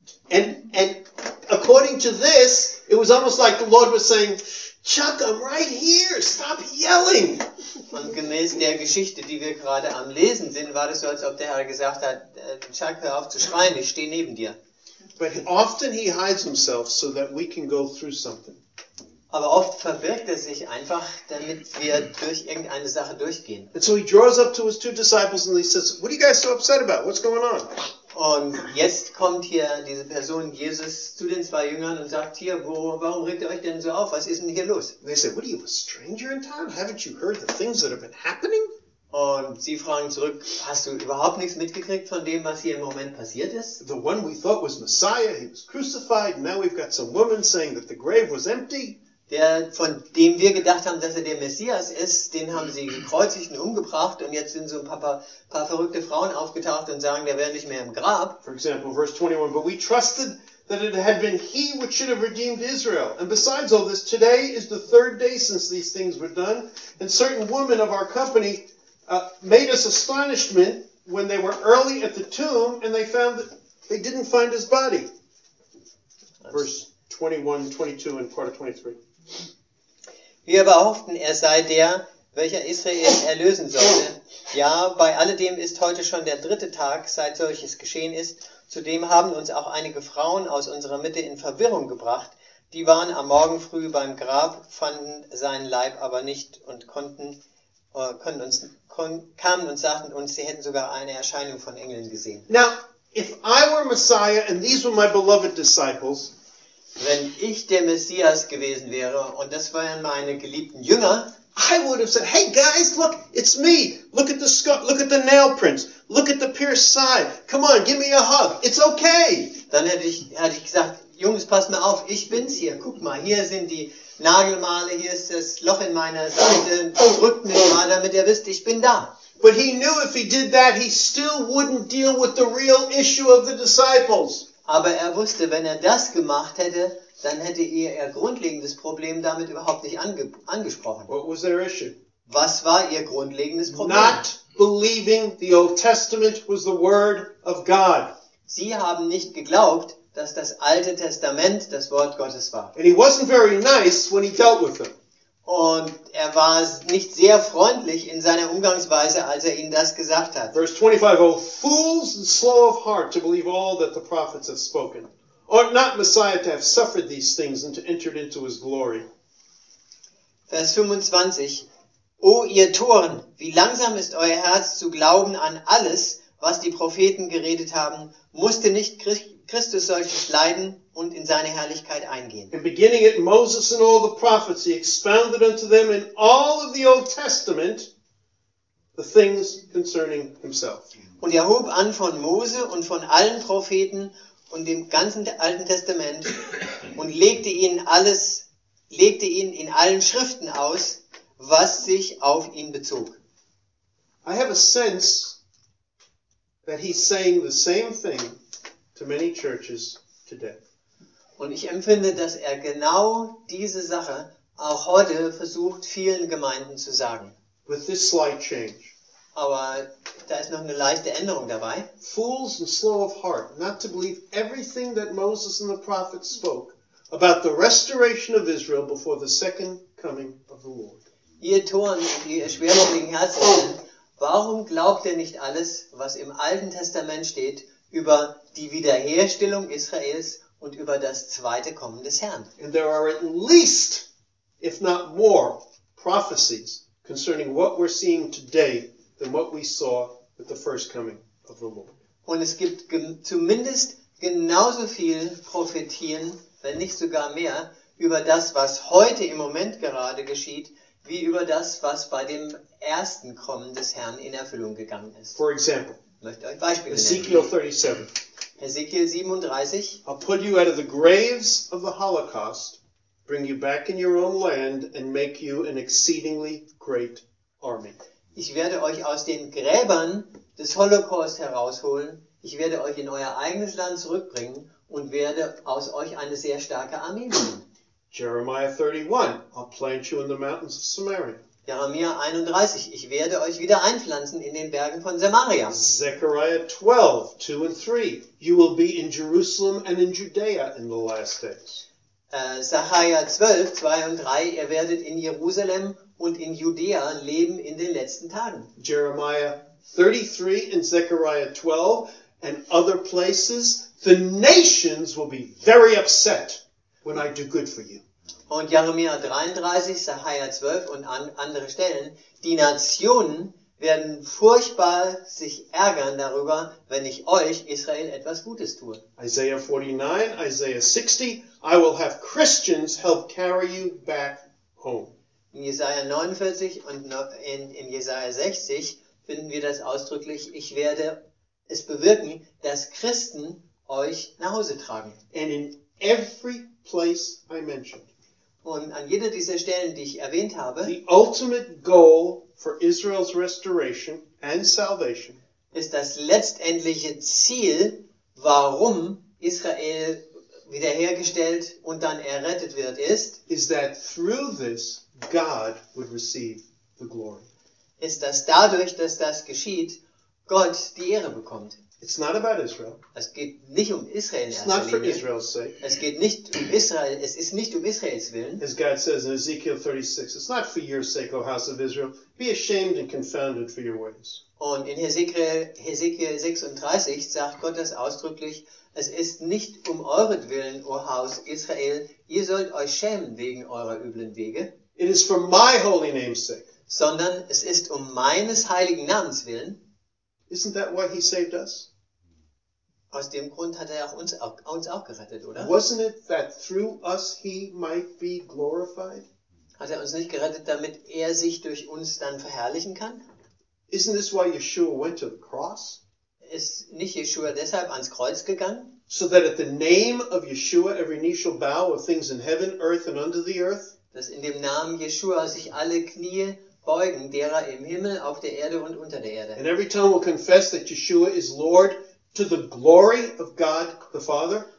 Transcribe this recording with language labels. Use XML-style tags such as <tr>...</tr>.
<en>And according to this, it was almost like the Lord was saying, Chuck, I'm right here. Stop yelling.</en> <de>Und gemäß der Geschichte, die wir gerade am Lesen sind, war das so, als ob der Herr gesagt hat, Chuck, hör auf zu schreien, ich stehe neben dir.</de> <en>But often he hides himself so that we can go through something.</en> <de>Aber oft verbirgt er sich einfach, damit wir durch irgendeine Sache durchgehen.</de> <en>And so he draws up to his two disciples and he says, what are you guys so upset about? What's going on?</en> <de>Und jetzt kommt hier diese Person Jesus zu den zwei Jüngern und sagt hier, warum regt ihr euch denn so auf? Was ist denn hier los?</de> <en>They say, what are you, a stranger in town? Haven't you heard the things that have been happening?</en> <de>Und sie fragen zurück, hast du überhaupt nichts mitgekriegt von dem, was hier im Moment passiert ist?</de> <en>The one we thought was Messiah, he was crucified. Now we've got some woman saying that the grave was empty.</en> <de>Der, von dem wir gedacht haben, dass er der Messias ist, den haben sie gekreuzigt und umgebracht und jetzt sind so ein paar verrückte Frauen aufgetaucht und sagen, der wäre nicht mehr im Grab.</de> <en>For example, verse 21, but we trusted that it had been he which should have redeemed Israel. And besides all this, today is the third day since these things were done. And certain women of our company made us astonishment when they were early at the tomb and they found that they didn't find his body. Verse 21, 22 and part of 23.</en> <de>Wir behaupten, er sei der, welcher Israel erlösen sollte. Ja, bei alledem ist heute schon der dritte Tag, seit solches geschehen ist. Zudem haben uns auch einige Frauen aus unserer Mitte in Verwirrung gebracht. Die waren am Morgen früh beim Grab, fanden seinen Leib aber nicht und kamen und sagten uns, sie hätten sogar eine Erscheinung von Engeln gesehen.</de> <en>Now, if I were Messiah and these were my beloved disciples,</en> <de>wenn ich der Messias gewesen wäre und das wären meine geliebten Jünger,</de> <en>I would have said, hey guys, look, it's me. Look at the scar, look at the nail prints. Look at the pierced side. Come on, give me a hug. It's okay.</en> <de>Dann hätte ich gesagt, Jungs, passt mal auf, ich bin's hier. Guck mal, hier sind die Nagelmale, hier ist das Loch in meiner Seite. Drückt mich mal, damit ihr wisst, ich bin da.</de> <en>But he knew if he did that, he still wouldn't deal with the real issue of the disciples.</en> <de>Aber er wusste, wenn er das gemacht hätte, dann hätte er ihr grundlegendes Problem damit überhaupt nicht angesprochen.</de> <en>What was their issue?</en> <de>Was war ihr grundlegendes Problem?</de> <en>Not believing the Old Testament was the word of God.</en> <de>Sie haben nicht geglaubt, dass das Alte Testament das Wort Gottes war.</de> <en>And he wasn't very nice when he dealt with them.</en> <de>Und er war nicht sehr freundlich in seiner Umgangsweise, als er ihnen das gesagt hat.</de> <en>Verse 25, O fools and slow of heart to believe all that the prophets have spoken. Ought not Messiah to have suffered these things and to enter into his glory?</en> <de>Vers 25, O ihr Toren, wie langsam ist euer Herz zu glauben an alles, was die Propheten geredet haben, musste nicht Christus solches leiden und in seine Herrlichkeit eingehen.</de> <en>And beginning at Moses and all the prophets, he expounded unto them in all of the Old Testament the things concerning himself.</en> <de>Und er hob an von Mose und von allen Propheten und dem ganzen Alten Testament und legte ihnen in allen Schriften aus, was sich auf ihn bezog.</de> <en>I have a sense that he's saying the same thing to many churches today.</en> <de>Und ich empfinde, dass er genau diese Sache auch heute versucht, vielen Gemeinden zu sagen.</de> <en>With this slight change.</en> <de>Aber da ist noch eine leichte Änderung dabei.</de> <en>Fools and slow of heart, not to believe everything that Moses and the prophets spoke about the restoration of Israel before the second coming of the Lord.</en> <de>Ihr Toren und ihr schwerfälligen Herzen, warum glaubt ihr nicht alles, was im Alten Testament steht, über die Wiederherstellung Israels und über das zweite Kommen des Herrn?</de> <en>And there are at least, if not more, prophecies concerning what we're seeing today than what we saw with the first coming of the Lord.</en> <de>Und es gibt zumindest genauso viel Prophetien, wenn nicht sogar mehr, über das, was heute im Moment gerade geschieht, wie über das, was bei dem ersten Kommen des Herrn in Erfüllung gegangen ist.</de> <en>For example,</en> <de>möchte euch Beispiele</de> <en>Ezekiel 37. Ezekiel 37. I'll put you out of the graves of the Holocaust, bring you back in your own land and make you an exceedingly great army.</en> <de>Ich werde euch aus den Gräbern des Holocaust herausholen. Ich werde euch in euer eigenes Land zurückbringen und werde aus euch eine sehr starke Armee machen.</de> <en>Jeremiah 31. I'll plant you in the mountains of Samaria.</en> <de>Jeremia 31. Ich werde euch wieder einpflanzen in den Bergen von Samaria.</de> <en>Zechariah 12, 2 and 3. You will be in Jerusalem and in Judea in the last days.</en> <de>Zechariah 12, 2 und 3. Ihr werdet in Jerusalem und in Judäa leben in den letzten Tagen.</de> <en>Jeremiah 33 and Zechariah 12 and other places. The nations will be very upset when I do good for you.</en> <de>Und Jeremia 33, Zechariah 12 und andere Stellen, die Nationen werden furchtbar sich ärgern darüber, wenn ich euch, Israel, etwas Gutes tue.</de> <en>Isaiah 49, Isaiah 60, I will have Christians help carry you back home.</en> <de>In Jesaja 49 und in Jesaja 60 finden wir das ausdrücklich, ich werde es bewirken, dass Christen euch nach Hause tragen.</de> <en>And in every place I mentioned.</en> <de>Und an jeder dieser Stellen, die ich erwähnt habe,</de> <en>the ultimate goal for Israel's restoration and salvation</en> <de>ist das letztendliche Ziel, warum Israel wiederhergestellt und dann errettet wird, ist,</de> <en>is that through this God would receive the glory.</en> <de>Ist, dass dadurch, dass das geschieht, Gott die Ehre bekommt.</de> <en>It's not about Israel.</en> <de>Es geht nicht um Israel. It's not for Israel's sake. Es geht nicht um Israel. Es ist nicht um Israels Willen.</de> <en>As God says in Ezekiel 36, it's not for your sake, O house of Israel. Be ashamed and confounded for your ways.</en> <de>Und in Ezekiel 36 sagt Gott das ausdrücklich, es ist nicht um euren Willen, O Haus Israel. Ihr sollt euch schämen wegen eurer üblen Wege.</de> <en>It is for my holy name's sake.</en> <de>Sondern es ist um meines heiligen Namens willen.</de> <en>Isn't that why he saved us?</en> <de>Aus dem Grund hat er auch uns auch gerettet, oder?</de> <en>Wasn't it that through us he might be glorified?</en> <de>Hat er uns nicht gerettet, damit er sich durch uns dann verherrlichen kann?</de> <en>Isn't this why Yeshua went to the cross?</en> <de>Ist nicht Yeshua deshalb ans Kreuz gegangen?</de> <en>So that at the name of Yeshua every knee shall bow of things in heaven, earth and under the earth.</en> <de>Dass in dem Namen Yeshua sich alle Knie beugen, derer im Himmel, auf der Erde und unter der Erde.</de> <en>And every tongue will confess that Yeshua is Lord to the glory of God the Father.</en>